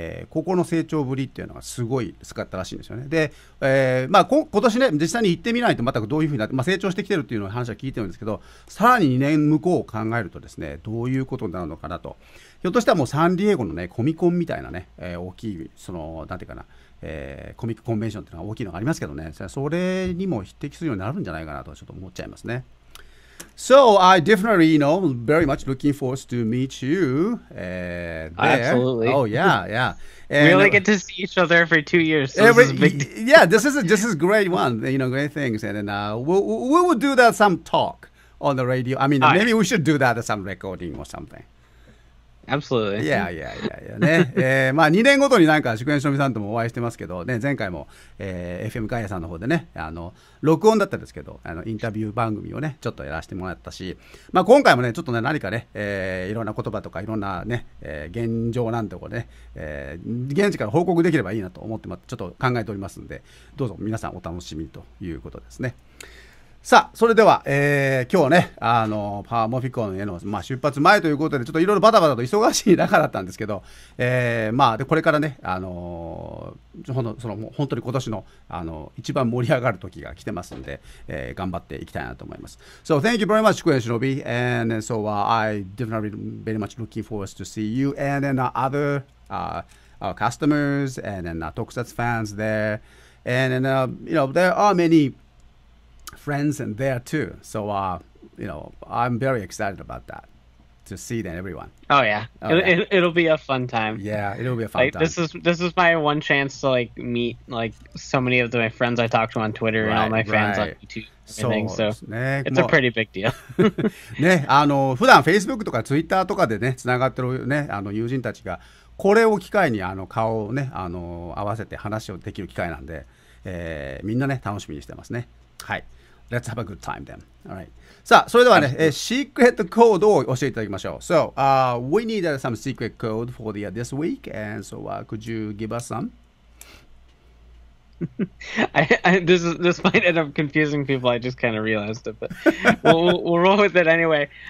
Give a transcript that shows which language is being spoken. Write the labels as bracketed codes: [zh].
[ja] ここの成長ぶりっていうのがすごい使ったらしいんですよね。で、まあ、今年ね実際に行ってみないとまたどういうふうになって、まあ、成長してきてるっていうの話は聞いてるんですけど、さらに2年向こうを考えるとですね、どういうことになるのかなと、ひょっとしたらもうサンディエゴのねコミコンみたいなね、大きいそのなんていうかな、コミックコンベンションっていうのは大きいのがありますけどね、それにも匹敵するようになるんじゃないかなとちょっと思っちゃいますね。 [en] So I definitely, you know, very much looking forward to meet you there. Absolutely. Oh, yeah, yeah. And we only get to see each other every 2 years. So every, this is a big deal. Yeah, this is great one. You know, great things. And then we will do that some talk on the radio. I mean, all maybe right. we should do that at some recording or something. Absolutely. [ja] Yeah. ね、まあ2年ごとになんか祝宴しのみさんともお会いしてますけど、ね、前回も、FM ガイアさんの方でね、あの録音だったんですけど、あのインタビュー番組をねちょっとやらせてもらったし、まあ今回もねちょっとね何かね、いろんな言葉とかいろんなね、現状なんてこうね、現地から報告できればいいなと思ってちょっと考えておりますんで、どうぞ皆さんお楽しみということですね。さあそれでは、今日ねあのパワーモフィコンへの、まあ、出発前ということでちょっといろいろバタバタと忙しい中だったんですけど、まあでこれからね、その本当に今年の、一番盛り上がる時が来てますんで、頑張っていきたいなと思います。 [en] So thank you very much 祝宴しのび and so I definitely very much looking forward to see you and then other our customers and then Tokusatsu fans there and then you know there are manyfriends and there too. So, you know, I'm very excited about that. to see then everyone. Oh yeah. It'll be a fun time. Yeah, it'll be a fun time. This is my one chance to like meet like so many of my friends I talked to on Twitter right, and all my fans right. on YouTube. So it's a pretty big deal. [ja] ね、あの普段 Facebook とか Twitter とかでね、つながってるね、あの友人たちがこれを機会にあの顔をね、あの合わせて話をできる機会なんで、みんなね楽しみにしてますね。 [en] はい、Let's have a good time then. All right. [ja] さあ、それではね、シークレットコードを教えていただきましょう。 [en] So, we need some secret code for the this week, and so could you give us some? This might end up confusing people. I just kind of realized it, but we'll roll with it anyway.